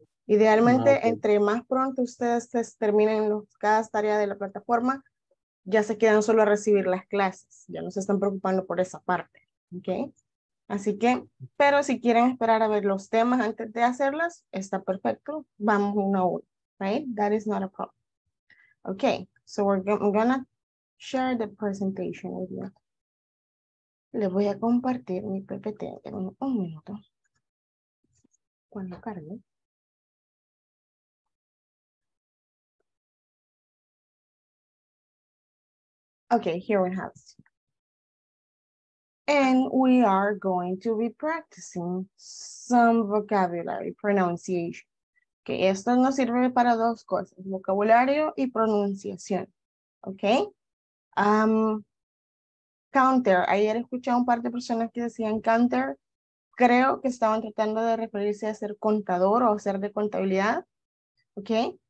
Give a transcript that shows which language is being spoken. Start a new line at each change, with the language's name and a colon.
Spanish: Idealmente, okay, entre más pronto ustedes terminen cada tarea de la plataforma, ya se quedan solo a recibir las clases. Ya no se están preocupando por esa parte. ¿Okay? Así que, pero si quieren esperar a ver los temas antes de hacerlas, está perfecto. Vamos uno a uno.
English: Right? That is not a problem. Okay, so I'm gonna share the presentation with you.
Spanish: Les voy a compartir mi PPT en un minuto. Cuando cargue.
English: Okay, here we have it. And we are going to be practicing some vocabulary, pronunciation.
Spanish: Que esto nos sirve para dos cosas, vocabulario y pronunciación, ¿ok? Counter, ayer escuché a un par de personas que decían counter, creo que estaban tratando de referirse a ser contador o ser de contabilidad, ¿ok?